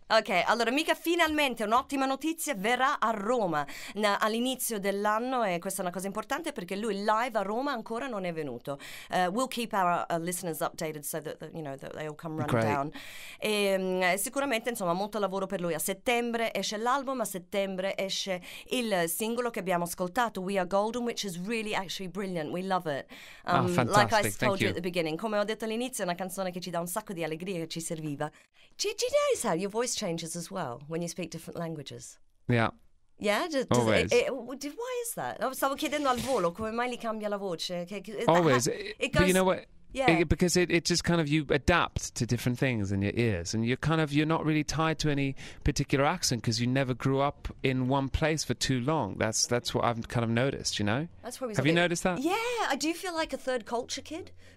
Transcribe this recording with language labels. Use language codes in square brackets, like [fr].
[it] Ok, allora Mika finalmente, un'ottima notizia, verrà a Roma all'inizio dell'anno, e questa è una cosa importante perché lui live a Roma ancora non è venuto. [en] We'll keep our listeners updated so that, you know, that they all come running down. [it] E sicuramente, insomma, molto lavoro per lui. A settembre esce l'album, a settembre esce il singolo che abbiamo ascoltato, We Are Golden, [en] which is really actually brilliant. We love it. Fantastic. Like I told Thank you at the beginning. [it] Come ho detto all'inizio, è una canzone che ci dà un sacco di allegria, che ci serviva. [en] Do you notice how your voice changes as well when you speak different languages? Yeah. Yeah? Why is that? [it] Stavo chiedendo al volo, come mai li cambia la voce? [en] Always. But you know what? Yeah. Because it just kind of, you adapt to different things in your ears, and you're not really tied to any particular accent because you never grew up in one place for too long. That's what I've kind of noticed, you know? That's probably Have you noticed that? Yeah, I do feel like a third culture kid.